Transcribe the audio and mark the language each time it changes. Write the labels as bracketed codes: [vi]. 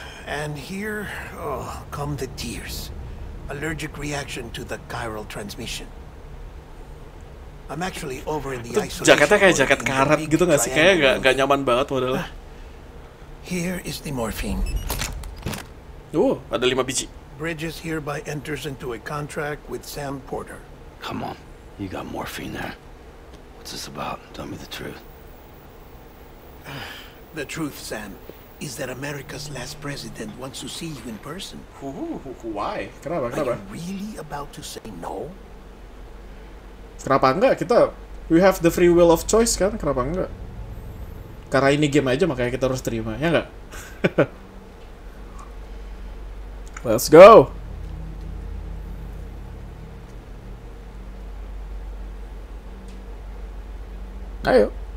[en] And here, oh, come the tears. Allergic reaction to the chiral transmission. I'm actually over in the isolation. [id] Jaketnya kayak jaket karet gitu nggak sih? Kayaknya nggak nyaman banget modelnya. [en] Here is the morphine. [id] Oh, ada 5 biji. [en] Bridges hereby enters into a contract with Sam Porter. Come on, you got morphine there. What's this about? Tell me the truth. The truth, Sam, is that America's last president wants to see you in person. Ooh, why? [id] Kenapa? [en] Are [id] kenapa? [en] You really about to say no? [id] Kenapa enggak? [en] Kita, we have the free will of choice kan? [id] Kenapa enggak? Karena ini game aja makanya kita harus terima, ya enggak? [en] Let's go. [id] Ayo.